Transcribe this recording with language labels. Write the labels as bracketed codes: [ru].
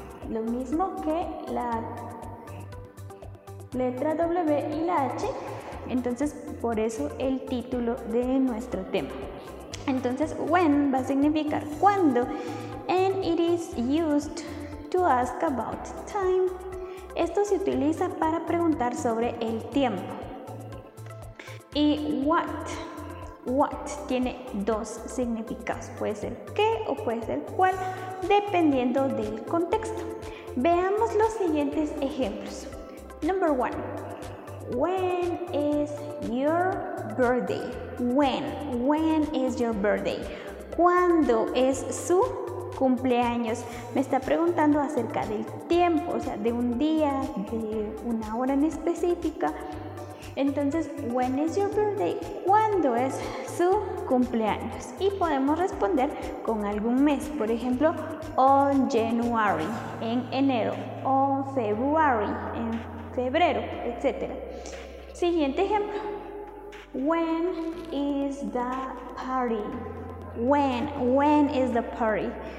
[es] Lo mismo que la letra W y la H. Entonces, por eso el título de nuestro tema. Entonces, when va a significar cuándo. [en] And it is used to ask about time. [es] Esto se utiliza para preguntar sobre el tiempo. Y what. What tiene dos significados. Puede ser qué o puede ser cuál, dependiendo del contexto. Veamos los siguientes ejemplos. [en] Number one. When is your birthday? When is your birthday? [es] ¿Cuándo es su cumpleaños? Me está preguntando acerca del tiempo, o sea, de un día, de una hora en específica. Entonces, [en] when is your birthday? [es] ¿Cuándo es su cumpleaños? Y podemos responder con algún mes. Por ejemplo, [en] on January, [es] en enero. [en] On February, [es] en febrero, etc. Siguiente ejemplo. [en] When is the party? When is the party?